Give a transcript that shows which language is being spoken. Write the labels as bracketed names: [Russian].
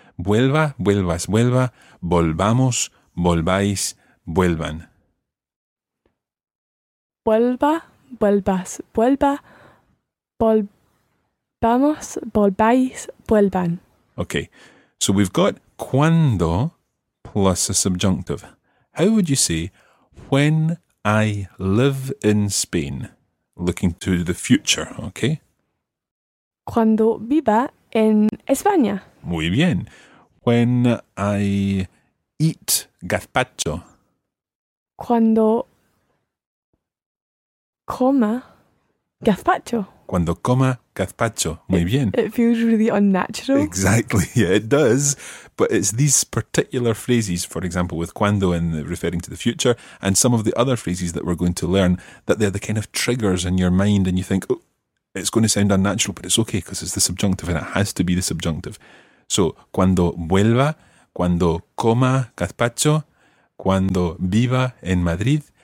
[Spanish] Vuelva, vuelvas, vuelva, volvamos, volváis, vuelvan. Vuelva, vuelvas, vuelva, volvamos, volváis, vuelvan. [English] Okay, so we've got cuando plus a subjunctive. How would you say when I live in Spain? Looking to the future, okay? [Spanish] Cuando viva en España. Muy bien. [English] When I eat gazpacho. [Spanish] Cuando coma gazpacho. Cuando coma gazpacho. Muy bien. [English] It feels really unnatural. Exactly. Yeah, it does. But it's these particular phrases, for example, with cuando and referring to the future, and some of the other phrases that we're going to learn, that they're the kind of triggers in your mind, and you think, oh, it's going to sound unnatural, but it's okay because it's the subjunctive and it has to be the subjunctive. So, [Spanish] cuando vuelva, cuando coma gazpacho, cuando viva en Madrid.